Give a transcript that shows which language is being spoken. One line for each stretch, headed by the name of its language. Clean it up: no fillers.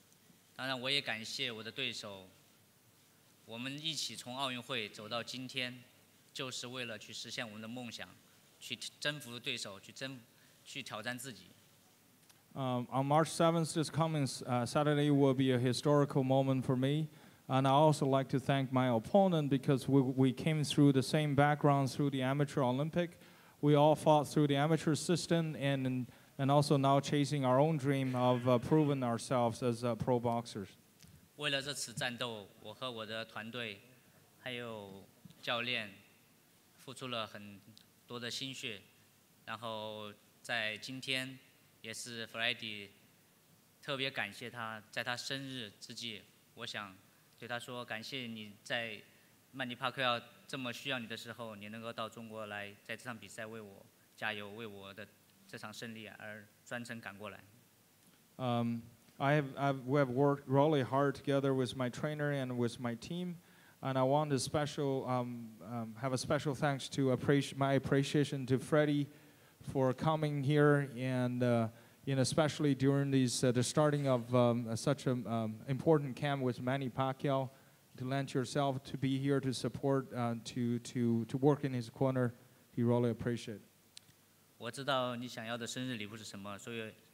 Chinese: 这个3月7号将是我见证我自己刷新自己历史的一刻。当然，我也感谢我的对手。我们一起从奥运会走到今天，就是为了去实现我们的梦想，去征服对手，去挑战自己。
English: On March 7th, this coming Saturday will be a historical moment for me, and I also like to thank my opponent because we came through the same background through the amateur Olympic. We all fought through the amateur system, and also now chasing our own dream of proving ourselves as pro boxers.
Chinese: 为了这次战斗，我和我的团队，还有教练，付出了很多的心血。然后在今天，也是 Freddie 特别感谢他，在他生日之际，我想对他说，感谢你在曼尼 Pacquiao 这么需要你的时候，你能够到中国来，在这场比赛为我加油，为我的这场胜利而专程赶过来。
English: We have worked really hard together with my trainer and with my team, and I want a special have a special thanks to my appreciation to Freddie for coming here and especially during these the starting of such an important camp with Manny Pacquiao to lend yourself to be here to support to work in his corner. He really appreciate.
Chinese: 我知道你想要的生日礼物是什么，所以。